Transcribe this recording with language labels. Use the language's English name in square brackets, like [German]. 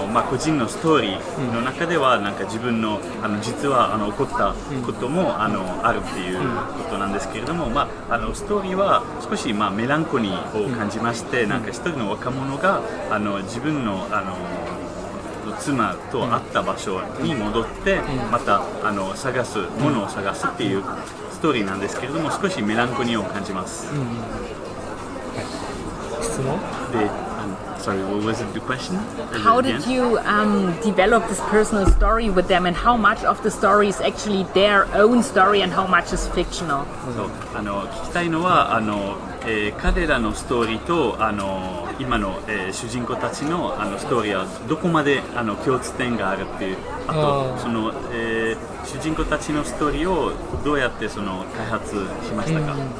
[Japanese] 個人のストーリーの中では、なんか自分 の実は起こったこともあるっていうことなんですけれども、ストーリーは少し、メランコニーを感じまして、なんか一人の若者が自分 の妻と会った場所に戻って、また探すものを探すっていうストーリーなんですけれども、少しメランコニーを感じます。質問？ [English] Sorry, what was the question? How did you develop this personal story with them, and how much of the story is actually their own story and how much is fictional? [Japanese] So, 聞きたいのは彼らのストーリーと今の主人公たちのストーリーはどこまで共通点があるっていう、あとその主人公たちのストーリーをどうやってその開発しましたか？